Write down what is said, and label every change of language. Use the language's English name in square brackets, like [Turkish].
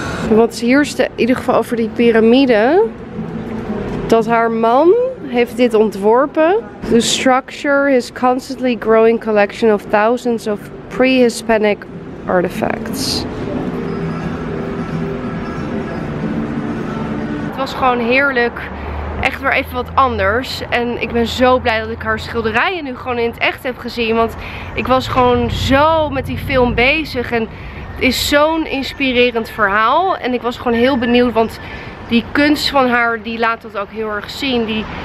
[Dutch] Wat is hier in ieder geval over die piramide? Dat haar man heeft dit ontworpen. [English] The structure is constantly growing collection of thousands of pre-Hispanic artifacts. [Dutch] Het was gewoon heerlijk. Echt weer even wat anders. En ik ben zo blij dat ik haar schilderijen nu gewoon in het echt heb gezien. Want ik was gewoon zo met die film bezig. En het is zo'n inspirerend verhaal. En ik was gewoon heel benieuwd, want die kunst van haar, die laat dat ook heel erg zien.